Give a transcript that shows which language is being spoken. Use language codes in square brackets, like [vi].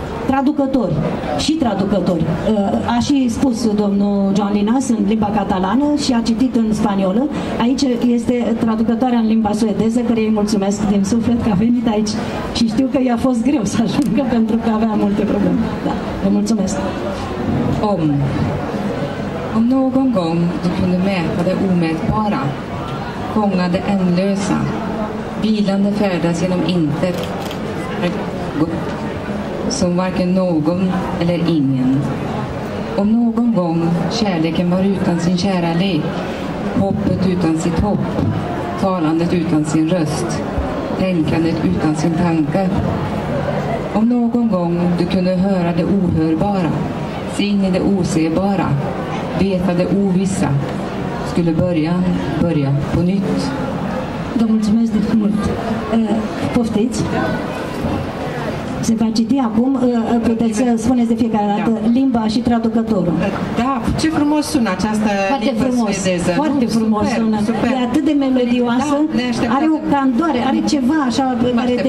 [ro] traducători și traducători. A și spus domnul John Linas în limba catalană și a citit în spaniolă. Aici este traducătoarea în limba suedeză, care îi mulțumesc din suflet că a venit aici și știu că i-a fost greu să ajungă pentru că avea multe probleme. Da, vă mulțumesc. [sv] Om. Om någon gång du kunde mäta det omätbara, fånga det ändlösa, vilande färdas genom intet, som varken någon eller ingen. Om någon gång kärleken var utan sin kärlek, hoppet utan sitt hopp, talandet utan sin röst, tänkandet utan sin tanke. Om någon gång du kunde höra det ohörbara, se in i det osebara, veta det ovissa, skulle börja på nytt. [ro] Då mulțumesc de mult. Poftiți. Se va citi acum, puteți să spuneți de fiecare dată limba și traducătorul. Da, ce frumos sună această limba suedeză. Foarte frumos sună. E atât de melodioasă. Are o candoare, are ceva așa care te...